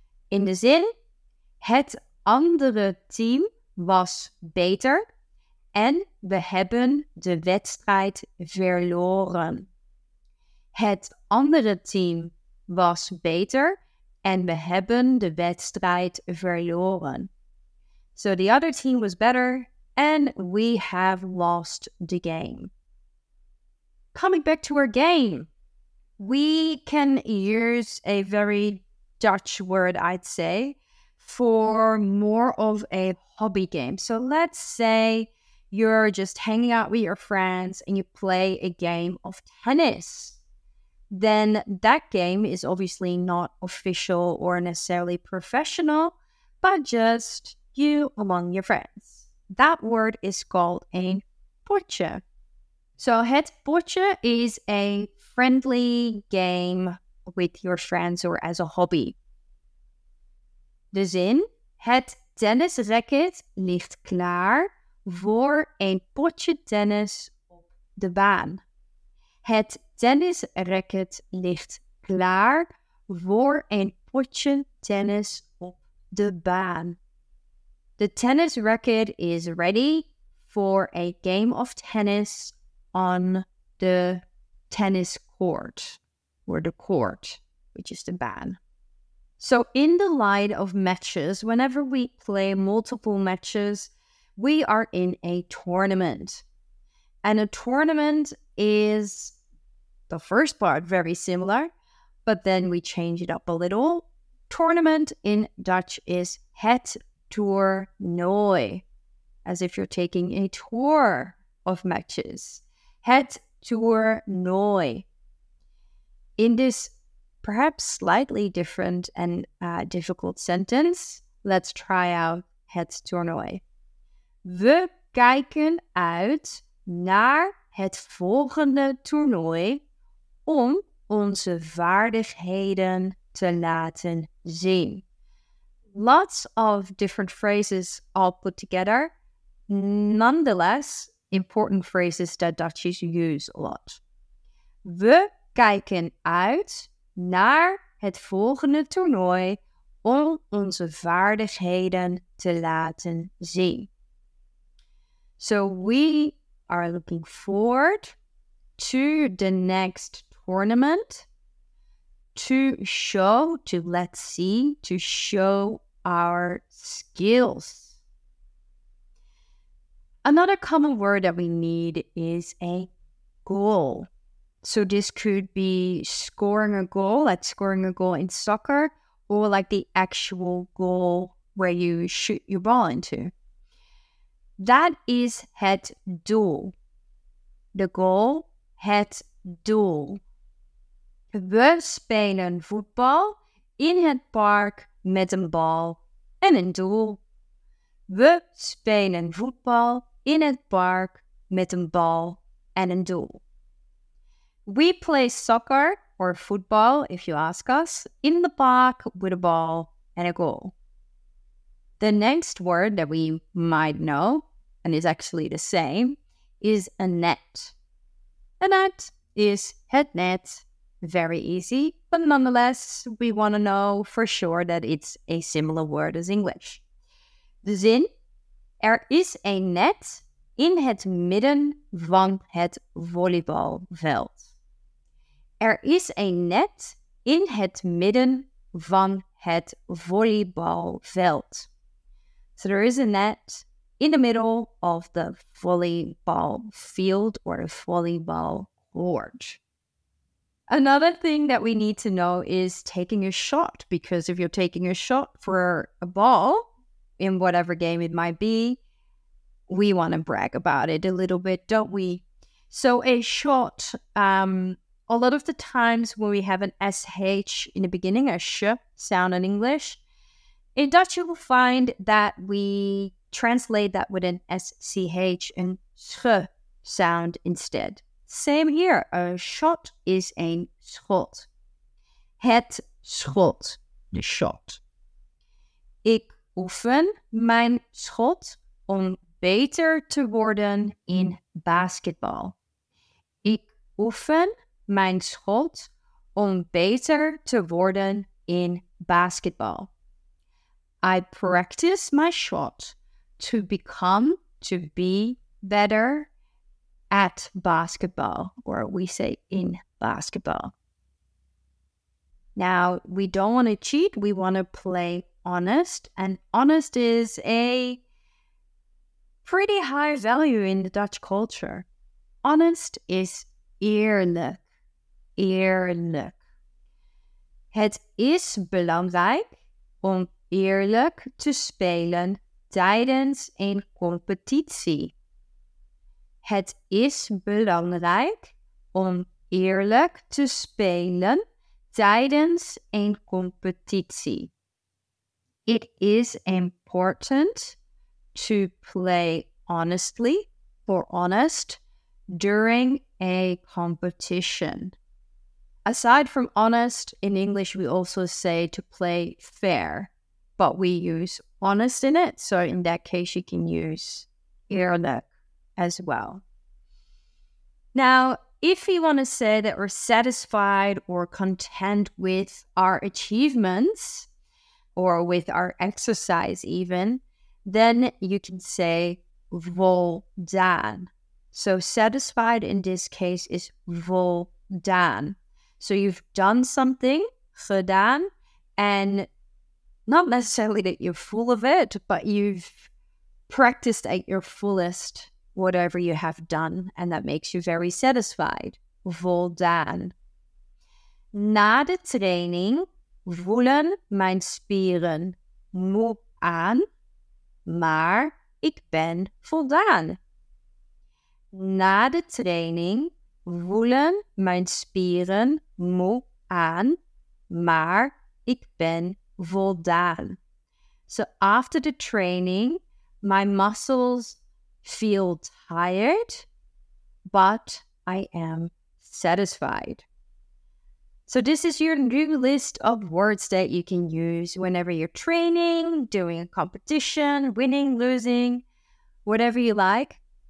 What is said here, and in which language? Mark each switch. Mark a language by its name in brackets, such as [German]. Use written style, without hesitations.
[Dutch] In de zin, het andere team was beter. En we hebben de wedstrijd verloren. Het andere team was beter. En we hebben de wedstrijd verloren. [English] So the other team was better. And we have lost the game. Coming back to our game. We can use a very Dutch word, I'd say, for more of a hobby game. So let's say you're just hanging out with your friends and you play a game of tennis, then that game is obviously not official or necessarily professional, but just you among your friends. that word is called a potje. So het potje is a friendly game with your friends or as a hobby. [Dutch] De zin, het tennisracket ligt klaar voor een potje tennis op de baan. Het tennisracket ligt klaar voor een potje tennis op de baan. [English] The tennis racket is ready for a game of tennis on the tennis court, or the court, which is the baan. So in the light of matches, whenever we play multiple matches, we are in a tournament. And a tournament is the first part, very similar, but then we change it up a little. Tournament in Dutch is het toernooi, as if you're taking a tour of matches. Het toernooi. In this perhaps slightly different and difficult sentence, let's try out het toernooi. [Dutch] We kijken uit naar het volgende toernooi om onze vaardigheden te laten zien. [English] Lots of different phrases all put together. Nonetheless, important phrases that Dutchies use a lot. [Dutch] We kijken uit naar het volgende toernooi om onze vaardigheden te laten zien. [English] So we are looking forward to the next tournament to show, to let's see, to show our skills. Another common word that we need is a goal. So this could be scoring a goal, like scoring a goal in soccer, or like the actual goal where you shoot your ball into. That is het doel. The goal, het doel. [Dutch] We spelen voetbal in het park met een bal en een doel. We spelen voetbal in het park met een bal en een doel. [English] We play soccer or football, if you ask us, in the park with a ball and a goal. The next word that we might know, and is actually the same, is a net. A net is het net. Very easy, but nonetheless, we want to know for sure that it's a similar word as English. [Dutch] De zin, er is een net in het midden van het volleybalveld. Er is een net in het midden van het volleybalveld. [English] So there is a net in the middle of the volleyball field or the volleyball court. Another thing that we need to know is taking a shot, because if you're taking a shot for a ball in whatever game it might be, we want to brag about it a little bit, don't we? So a shot, a lot of the times when we have an SH in the beginning, a sh sound in English, in Dutch you will find that we translate that with an SCH and sch sound instead. Same here, a shot is een schot. [Dutch] Het schot, the shot. Ik oefen mijn schot om beter te worden in basketball. Ik oefen mijn schot om beter te worden in basketball. [English] I practice my shot to become, to be better at basketball, or we say in basketball. Now, we don't want to cheat. We want to play honest. And honest is a pretty high value in the Dutch culture. Honest is eerlijk. Eerlijk. [Dutch] Het is belangrijk om eerlijk te spelen tijdens een competitie. Het is belangrijk om eerlijk te spelen tijdens een competitie. [English] It is important to play honestly or honest during a competition. Aside from honest, in English, we also say to play fair, but we use honest in it. So in that case, you can use ehrlich as well. Now, if you want to say that we're satisfied or content with our achievements or with our exercise even, then you can say wohl done. So satisfied in this case is wohl done. So you've done something, gedaan, and not necessarily that you're full of it, but you've practiced at your fullest whatever you have done, and that makes you very satisfied. [Dutch] Voldaan. Na de training voelen mijn spieren moe aan, maar ik ben voldaan. Na de training voelen mijn spieren moe aan, maar ik ben voldaan. [English] So after the training, my muscles feel tired, but I am satisfied. So this is your new list of words that you can use whenever you're training, doing a competition, winning, losing, whatever you like.